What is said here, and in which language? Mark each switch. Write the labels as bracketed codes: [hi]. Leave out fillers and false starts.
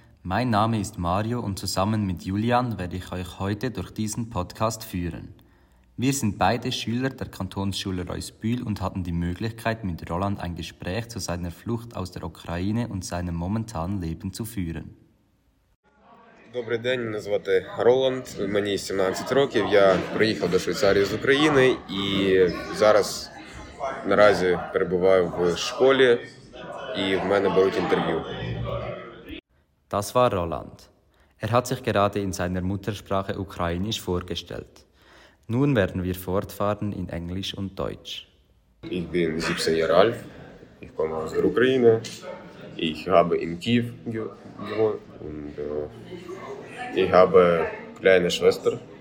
[de] Mein Name ist Mario und zusammen mit Julian werde ich euch heute durch diesen Podcast führen. Wir sind beide Schüler der Kantonsschule Reusbühl und hatten die Möglichkeit, mit Roland ein Gespräch zu seiner Flucht aus der Ukraine und seinem momentanen Leben zu führen. [uk] Добрий день, мене звати Роланд, мені 17 років, я приїхав до Швейцарії з України і зараз наразі перебуваю в школі і в мене беруть інтерв'ю. [de] Das war Roland. Hat sich gerade in seiner Muttersprache ukrainisch vorgestellt. Nun werden wir fortfahren in Englisch und Deutsch. Ich bin 17 Jahre alt, ich komme aus der Ukraine. Ich habe in Kiew gewohnt und ich habe eine kleine Schwester.